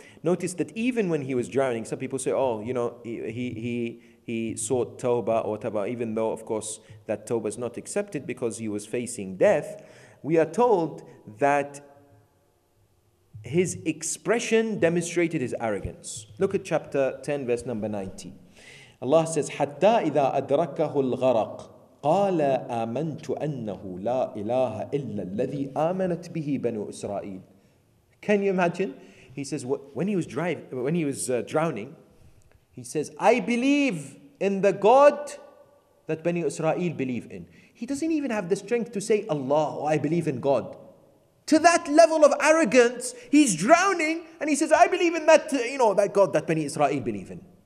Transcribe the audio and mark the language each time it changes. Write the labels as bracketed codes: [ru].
[en] Notice that even when he was drowning, some people say, "Oh, you know, he sought Tawbah or whatever," even though, of course, that Tawbah is not accepted because he was facing death. We are told that his expression demonstrated his arrogance. Look at chapter 10, verse number 90. Allah says, [ar] حَتَّى إِذَا أَدْرَكَهُ الْغَرَقُ قال آمنت أنه لا إله إلا الذي آمنت به بنو إسرائيل. [en] Can you imagine? He says when he was drowning, he says, I believe in the God that Bani Israel believe in. He doesn't even have the strength to say, Allah, oh, I believe in God. To that level of arrogance, he's drowning and he says, I believe in that, you know, that God that Bani Israel believe in.